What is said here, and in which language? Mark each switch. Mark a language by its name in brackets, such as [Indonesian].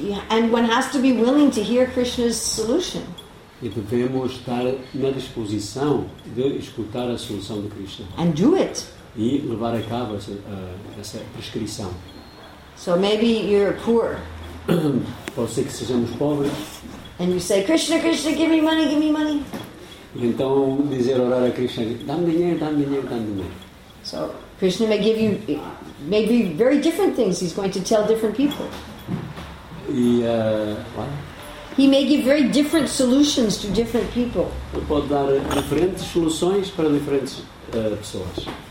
[English] And one has to be willing to hear Krishna's solution. [Portuguese] E devemos estar na disposição de escutar a solução de Krishna. [English] And do it. [Portuguese] E levar a cabo essa prescrição. [English] So maybe you're poor. [Portuguese] Pode ser que sejamos pobres. [English] And you say, Krishna, give me money. [Portuguese] E então dizer, orar a Krishna, dá-me dinheiro. [English] So Krishna may give you maybe very different things. He's going to tell different people. He may give very different solutions to different people. [Portuguese] Ele pode dar diferentes soluções para diferentes pessoas.